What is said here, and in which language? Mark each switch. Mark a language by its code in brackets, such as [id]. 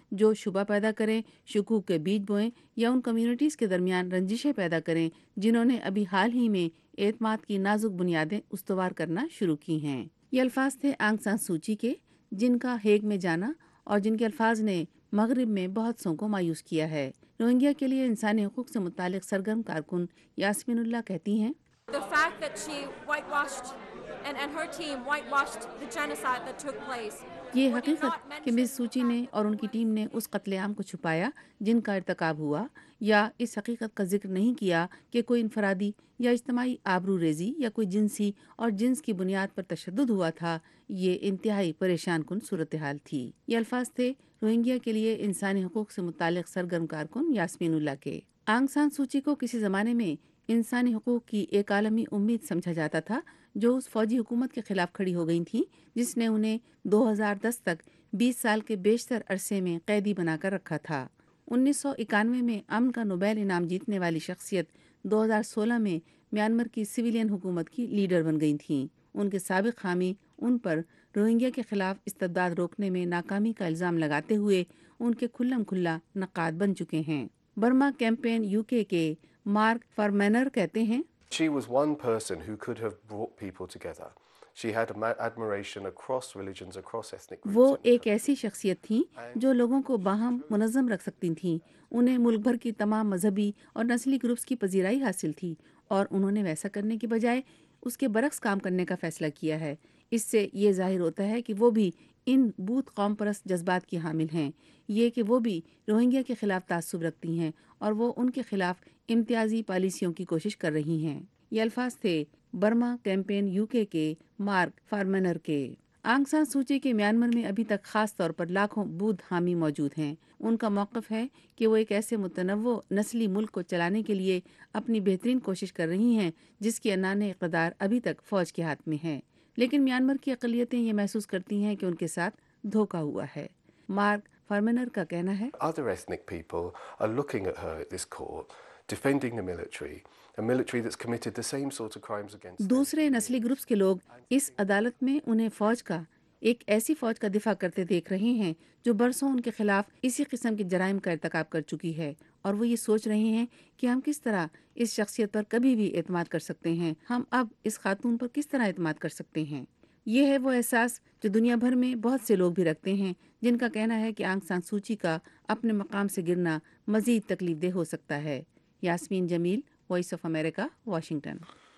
[ur] جو شبہ پیدا کریں، شکوک کے بیج بوئیں یا ان کمیونٹیز کے درمیان رنجشیں پیدا کریں جنہوں نے ابھی حال ہی میں اعتماد کی نازک بنیادیں استوار کرنا شروع کی ہیں۔ یہ الفاظ تھے آنگ سان سوچی کے، جن کا ہیگ میں جانا اور جن کے الفاظ نے مغرب میں بہت سو کو مایوس کیا ہے۔ روہنگیا کے لیے انسانی حقوق سے متعلق سرگرم کارکن یاسمین اللہ کہتی ہیں، [en] The fact that she whitewashed and her team whitewashed the genocide that took place, [ur] یہ حقیقت کہ مس سوچی نے اور ان کی ٹیم نے اس قتل عام کو چھپایا جن کا ارتکاب ہوا، یا اس حقیقت کا ذکر نہیں کیا کہ کوئی انفرادی یا اجتماعی آبرو ریزی یا کوئی جنسی اور جنس کی بنیاد پر تشدد ہوا تھا، یہ انتہائی پریشان کن صورتحال تھی۔ یہ الفاظ تھے روہنگیا کے لیے انسانی حقوق سے متعلق سرگرم کارکن یاسمین اللہ کے۔ آنگ سان سوچی کو کسی زمانے میں انسانی حقوق کی ایک عالمی امید سمجھا جاتا تھا جو اس فوجی حکومت کے خلاف کھڑی ہو گئی تھیں جس نے انہیں 2010 تک 20 سال کے بیشتر عرصے میں قیدی بنا کر رکھا تھا۔ 1991 میں امن کا نوبیل انعام جیتنے والی شخصیت 2016 میں میانمار کی سویلین حکومت کی لیڈر بن گئی تھیں۔ ان کے سابق حامی ان پر روہنگیا کے خلاف استبداد روکنے میں ناکامی کا الزام لگاتے ہوئے ان کے کھلم کھلا نقاد بن چکے ہیں۔ برما کیمپین UK کے مارک فرمینر کہتے ہیں، [en] She was one person who could have brought people together. She had admiration across religions, across ethnic groups. [ur] وہ ایک ایسی شخصیت تھیں جو لوگوں کو باہم منظم رکھ سکتی تھیں۔ انہیں ملک بھر کی تمام مذہبی اور نسلی گروپس کی پذیرائی حاصل تھی، اور انہوں نے ویسا کرنے کے بجائے اس کے برعکس کام کرنے کا فیصلہ کیا ہے۔ اس سے یہ ظاہر ہوتا ہے کہ وہ بھی ان بوت قوم پرست جذبات کی حامل ہیں، یہ کہ وہ بھی روہنگیا کے خلاف تعصب رکھتی ہیں اور وہ ان کے خلاف امتیازی پالیسیوں کی کوشش کر رہی ہیں۔ یہ الفاظ تھے برما کیمپین UK کے مارک فارمنر کے۔ آنگ سان سوچی کے میانمار میں ابھی تک خاص طور پر لاکھوں بودھ حامی موجود ہیں۔ ان کا موقف ہے کہ وہ ایک ایسے متنوع نسلی ملک کو چلانے کے لیے اپنی بہترین کوشش کر رہی ہیں جس کی انانے اقتدار ابھی تک فوج کے ہاتھ میں ہے، لیکن میانمار کی اقلیتیں یہ محسوس کرتی ہیں کہ ان کے ساتھ دھوکا ہوا ہے۔ مارک فارمنر کا کہنا ہے، [en] Other ethnic people are looking at her at this court, defending the military, a military that's committed the same sort of crimes against [ur] دوسرے نسلی گروپس کے لوگ اس عدالت میں انہیں فوج کا ایک ایسی فوج کا دفاع کرتے دیکھ رہے ہیں جو برسوں ان کے خلاف اسی قسم کے جرائم کا ارتکاب کر چکی ہے، اور وہ یہ سوچ رہے ہیں کہ ہم کس طرح اس شخصیت پر کبھی بھی اعتماد کر سکتے ہیں، ہم اب اس خاتون پر کس طرح اعتماد کر سکتے ہیں۔ یہ ہے وہ احساس جو دنیا بھر میں بہت سے لوگ بھی رکھتے ہیں، جن کا کہنا ہے کہ آنگ سان سوچی کا اپنے مقام سے گرنا مزید تکلیف دہ ہو سکتا ہے۔ یاسمین جمیل، وائس آف امریکہ، واشنگٹن۔